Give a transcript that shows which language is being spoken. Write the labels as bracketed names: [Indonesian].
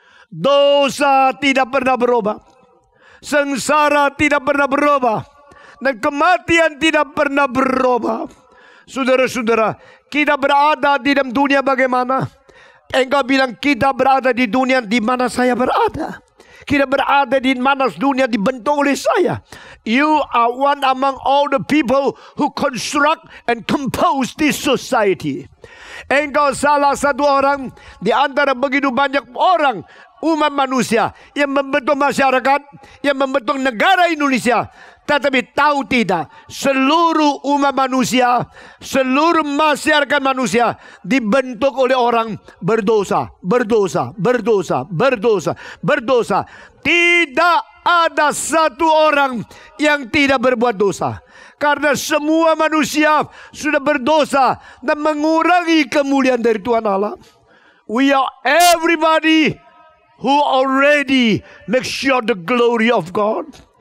[Indonesian] Dosa tidak pernah berubah. Sengsara tidak pernah berubah. dan kematian tidak pernah berubah. Saudara-saudara, kita berada di dalam dunia bagaimana? Engkau bilang kita berada di dunia di mana saya berada. Kita berada di mana dunia dibentuk oleh saya. [English] You are one among all the people who construct and compose this society. [Indonesian] Engkau salah satu orang di antara begitu banyak orang, umat manusia yang membentuk masyarakat, yang membentuk negara Indonesia. Tetapi tahu tidak, seluruh umat manusia, seluruh masyarakat manusia dibentuk oleh orang berdosa, berdosa, berdosa, berdosa, berdosa. Tidak ada satu orang yang tidak berbuat dosa. Karena semua manusia sudah berdosa dan mengurangi kemuliaan dari Tuhan Allah. [English] We are everybody who already make sure the glory of God.